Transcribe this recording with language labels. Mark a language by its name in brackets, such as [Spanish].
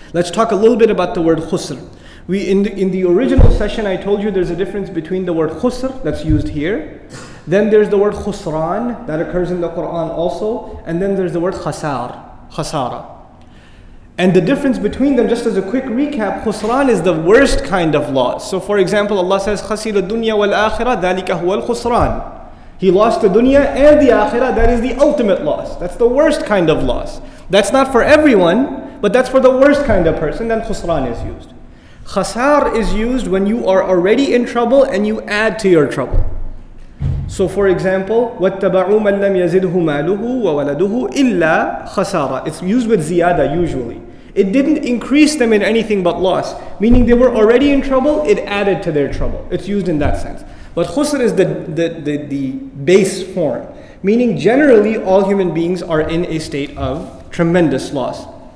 [English] Let's talk a little bit about the word خُسْر. In the original session I told you there's a difference between the word خُسْر that's used here. Then there's the word خُسْران that occurs in the Quran also. And then there's the word خَسَارَ. And the difference between them, just as a quick recap, خُسْران is the worst kind of loss. So for example, Allah says [Arabic] خَسِرَ الدُّنْيَا وَالْآخِرَةَ ذَلِكَ هُوَ الْخُسْرَانِ. [English] He lost the dunya and the akhirah, that is the ultimate loss. That's the worst kind of loss. That's not for everyone, but that's for the worst kind of person, then khusran is used. Khasar is used when you are already in trouble and you add to your trouble. So for example, [Arabic] وَاتَّبَعُوا مَنْ لَمْ يَزِدْهُ مَالُهُ وَوَلَدُهُ إِلَّا خَسَارًا. [English] It's used with ziyada usually. It didn't increase them in anything but loss, meaning they were already in trouble, it added to their trouble. It's used in that sense. But khusr is the base form, meaning generally all human beings are in a state of tremendous loss.